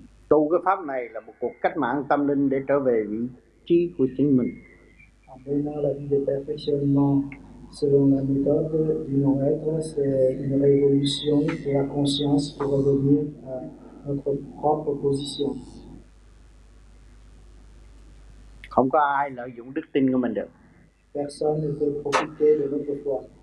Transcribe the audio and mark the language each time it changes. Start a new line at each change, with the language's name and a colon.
Vietnamese: Tu cái pháp này là một cuộc cách mạng tâm linh để trở về vị trí của chính mình.
French: En menant la vie de perfectionnement selon la méthode du non-être, c'est une révolution de la conscience pour revenir à notre propre position.
Vietnamese: Không có ai lợi dụng đức tin của mình được.
French: Personne ne peut profiter de notre foi.